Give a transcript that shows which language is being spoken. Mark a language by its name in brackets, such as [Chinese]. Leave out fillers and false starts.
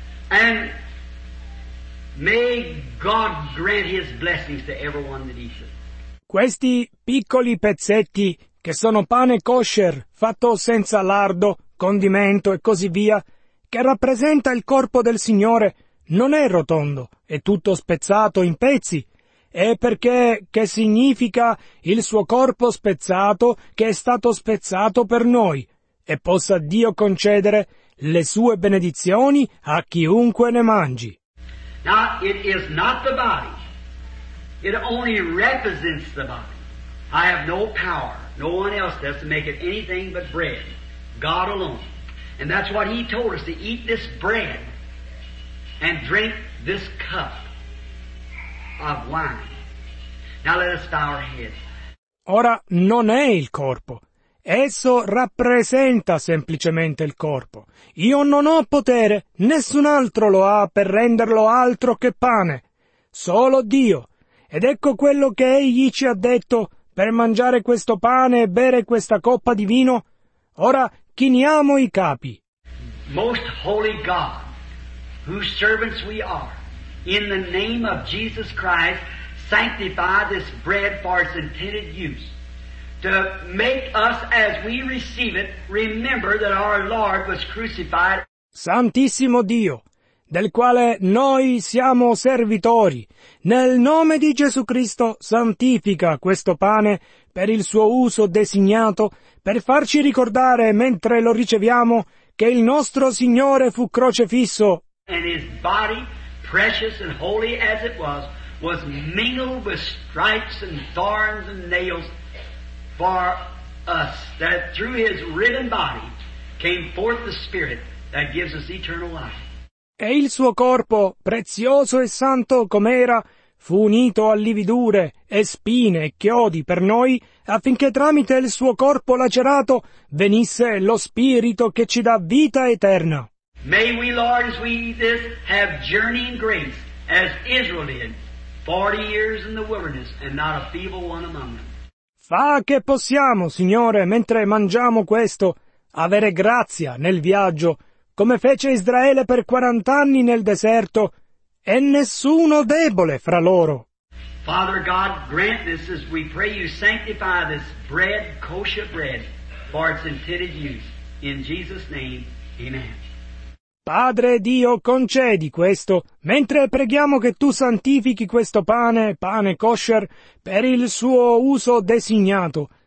[English] And may God grant His blessings to everyone that eats it. [Italian] Questi piccoli pezzetti che sono pane kosher, fatto senza lardo, condimento e così via, che rappresenta il corpo del Signore, non è rotondo, è tutto spezzato in pezzi, è perché che significa il suo corpo spezzato che è stato spezzato per noi, e possa Dio concedere le sue benedizioni a chiunque ne mangi. [English] Now, it is not the body. It only represents the body. I have no power, no one else does, to make it anything but bread. God alone. And that's what he told us, to eat this bread and drink this cup of wine. Now let us bow our heads. [Italian] Ora non è il corpo. Esso rappresenta semplicemente il corpo. Io non ho potere, nessun altro lo ha per renderlo altro che pane. Solo Dio. Ed ecco quello che egli ci ha detto per mangiare questo pane e bere questa coppa di vino. Ora chiniamo i capi. [English] Most holy God, whose servants we are, in the name of Jesus Christ, sanctify this bread for its intended use. To make us, as we receive it, remember that our Lord was crucified. [Italian] Santissimo Dio, del quale noi siamo servitori, nel nome di Gesù Cristo santifica questo pane per il suo uso designato, per farci ricordare mentre lo riceviamo che il nostro Signore fu crocefisso. [English] And his body, precious and holy as it was mingled with stripes and thorns and nails. For us, that through his ridden body came forth the Spirit that gives us eternal life. [Italian] E il suo corpo, prezioso e santo com'era, fu unito a lividure e spine e chiodi per noi, affinché tramite il suo corpo lacerato venisse lo Spirito che ci dà vita eterna. [English] May we, Lord, as we eat this, have journeying grace, as Israel did, 40 years in the wilderness, and not a feeble one among them. [Italian] Fa che possiamo, Signore, mentre mangiamo questo, avere grazia nel viaggio, come fece Israele per 40 anni nel deserto, e nessuno debole fra loro. [English] Father God, grant this as we pray you sanctify this bread, kosher bread, for its intended use. In Jesus' name, amen. [Italian] Padre Dio, concedi questo, mentre preghiamo che tu santifichi questo pane, pane kosher, per il suo uso designato.